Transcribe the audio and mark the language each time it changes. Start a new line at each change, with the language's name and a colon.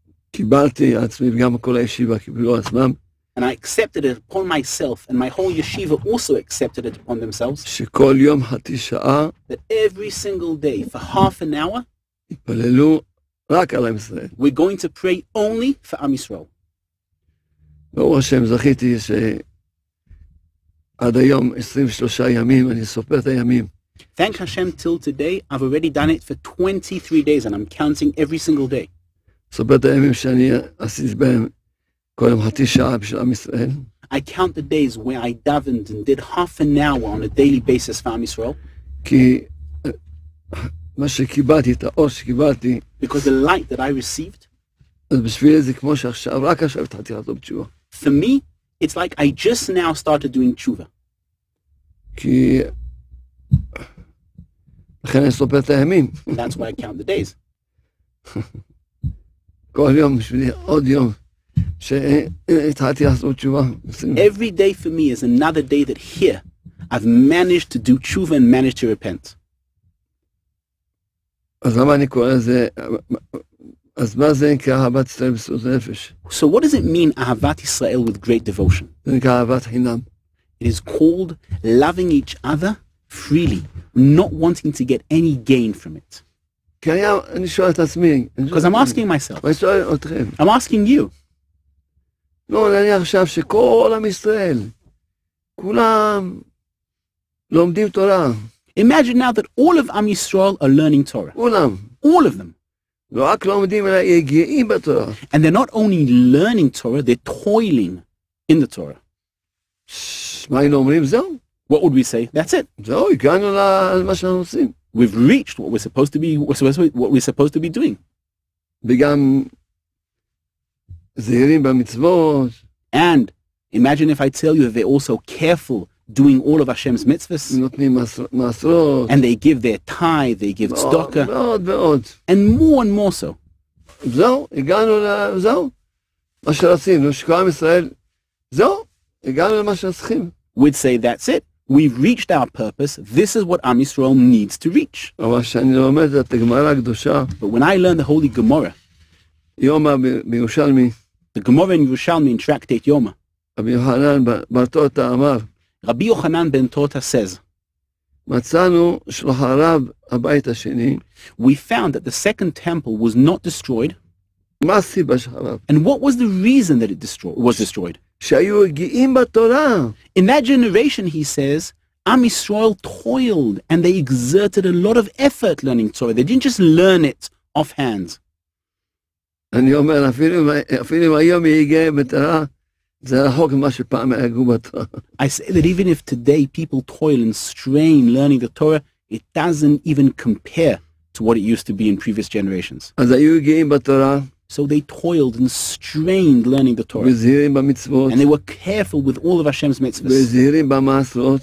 Hebrew: קיבלתי עצמי וגם כל הישיבה קיבלו עצמם.
English: And I accepted it upon myself, and my whole yeshiva also accepted it upon themselves.
Hebrew: שכל יום חצי שעה,
English: that every single day, for half an hour,
Hebrew: יתפללו רק על עם ישראל.
English: We're going to pray only for Am Yisrael.
Hebrew: ברוך השם, זכיתי שעד היום 23 ימים, אני סופר את הימים.
English: Thank Hashem, till today, I've already done it for 23 days, and I'm counting every single day.
Hebrew: סופר את הימים שאני עשיתי בהם, קודם חצי שעה בשביל עם ישראל.
English: I count the days where I davened and did half an hour on a daily basis for Am Yisrael.
Hebrew: כי מה שקיבלתי, את האור שקיבלתי.
English: Because the light that I received.
Hebrew: אז בשביל זה כמו שעכשיו, רק עכשיו התחלתי לעשות בתשובה.
English: For me, it's like I just now started doing תשובה.
Hebrew: כי לכן אני סופר את הימים.
English: That's why I count the days.
Hebrew: כל יום בשבילי עוד יום. שהתחלתי לעשות תשובה.
English: Every day for me is another day that here I've managed to do tshuva and managed to repent.
Hebrew: אז למה אני קורא לזה, אז מה זה נקרא אהבת ישראל במסירות נפש?
English: So what does it mean אהבת ישראל with great devotion?
Hebrew: זה נקרא אהבת חינם.
English: It is called loving each other freely, not wanting to get any gain from it.
Hebrew: כי אני שואל את עצמי.
English: Because I'm asking myself.
Hebrew: אני שואל אתכם.
English: I'm asking you.
Hebrew: לא, אני עכשיו שכל עם ישראל, כולם לומדים תורה.
English: Imagine now that all of Am Yisrael are learning Torah.
Hebrew: כולם.
English: All of them.
Hebrew: לא רק לומדים, אלא יגיעים בתורה.
English: And they're not only learning Torah, they're toiling in the Torah.
Hebrew: מה היינו אומרים? זהו.
English: What would we say? That's it.
Hebrew: זהו, הגענו למה שאנחנו עושים.
English: We've reached what we're supposed to be, what we're supposed to be doing.
Hebrew: וגם זהירים במצוות.
English: And imagine if I tell you that they're also careful doing all of Hashem's mitzvahs.
Hebrew: נותנים מעשרות.
English: And they give their tithe, they give tzedakah.
Hebrew: ועוד ועוד.
English: And more and more so.
Hebrew: זהו, הגענו לזהו. מה שרצינו, שכל עם ישראל, זהו, הגענו למה שצריכים.
English: We'd say that's it. We've reached our purpose. This is what Am Yisrael needs to reach.
Hebrew: אבל שאני לומד את הגמרא הקדושה.
English: But when I learn the Holy Gemara,
Hebrew: יומא בירושלמי.
English: The Gemara in Yerushalmi in Tractate Yoma.
Hebrew: רבי יוחנן בן תורתא אמר.
English: רבי יוחנן בן תורתא says.
Hebrew: מצאנו שחרב הבית השני.
English: We found that the second temple was not destroyed.
Hebrew: מה הסיבה שחרב?
English: And what was the reason that it was destroyed?
Hebrew: שהיו הגיעים בתורה.
English: In that generation, he says, Am Yisrael toiled and they exerted a lot of effort learning Torah. They didn't just learn it offhand.
Hebrew: אני אומר, אפילו היום יגיע בתורה, זה רחוק ממה שפעם יגיעו בתורה.
English: I say that even if today people toil and strain learning the Torah, it doesn't even compare to what it used to be in previous generations.
Hebrew: אז היו יגיעים בתורה,
English: So they toiled and strained learning the Torah. And they were careful with all of Hashem's mitzvahs.